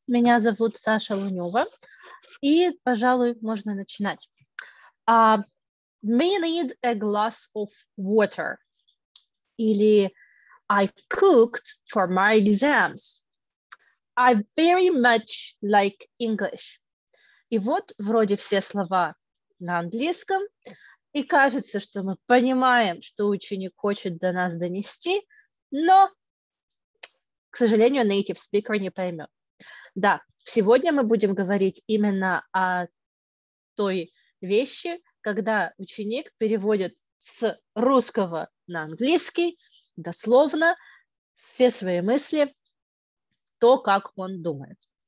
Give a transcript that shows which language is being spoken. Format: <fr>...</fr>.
<ru>Меня зовут Саша Лунёва, и, пожалуй, можно начинать.</ru> <en>May I need a glass of water?</en> <ru>Или</ru> <en>I cooked for my exams. I very much like English.</en> <ru>И вот вроде все слова на английском, и кажется, что мы понимаем, что ученик хочет до нас донести, но... К сожалению, native speaker не поймет. Да, сегодня мы будем говорить именно о той вещи, когда ученик переводит с русского на английский дословно все свои мысли, то, как он думает.</ru>